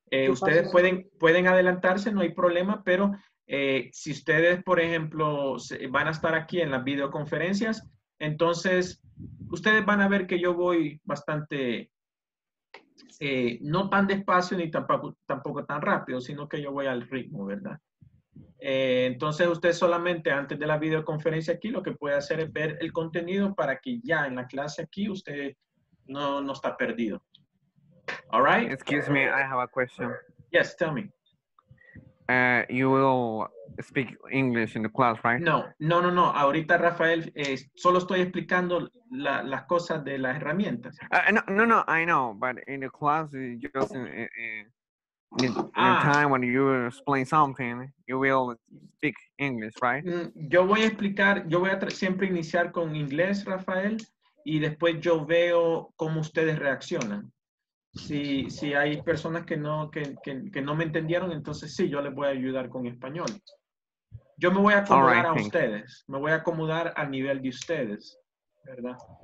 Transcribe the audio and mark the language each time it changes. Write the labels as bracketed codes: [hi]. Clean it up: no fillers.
[es] Ustedes pueden adelantarse, no hay problema, pero si ustedes, por ejemplo, van a estar aquí en las videoconferencias, entonces ustedes van a ver que yo voy bastante, no tan despacio ni tampoco tan rápido, sino que yo voy al ritmo, ¿verdad? Entonces, usted solamente antes de la videoconferencia aquí, lo que puede hacer es ver el contenido para que ya en la clase aquí usted no está perdido. [en] All right? Excuse me, I have a question. Yes, tell me. You will speak English in the class, right? No. [es] Ahorita, Rafael, solo estoy explicando las cosas de las herramientas. [en] No, I know, but in the class, you just... In time when you explain something, you will speak English, right? [es] Yo voy a siempre iniciar con inglés, Rafael, y después yo veo cómo ustedes reaccionan. Si hay personas que no me entendieron, entonces sí, yo les voy a ayudar con español. Yo me voy a acomodar ustedes. Me voy a acomodar al nivel de ustedes, ¿verdad?